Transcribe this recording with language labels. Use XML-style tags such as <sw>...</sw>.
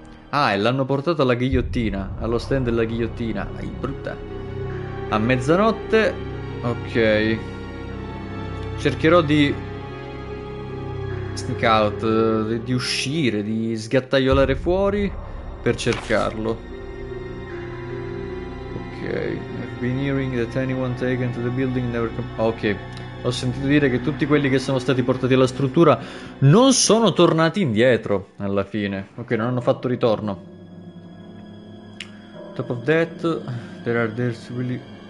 <it>Ah, e l'hanno portato alla ghigliottina, allo stand della ghigliottina. Ai, brutta. A mezzanotte. Ok. Cercherò di</it> <en>sneak out,</en> <it>di uscire, di sgattaiolare fuori per cercarlo. Ok.</it> <en>I've been hearing that anyone taken to the building never come. Ok.</en> <it>Ho sentito dire che tutti quelli che sono stati portati alla struttura non sono tornati indietro alla fine. Ok, non hanno fatto ritorno.</it> <en>Top of that, there are there's really...</en>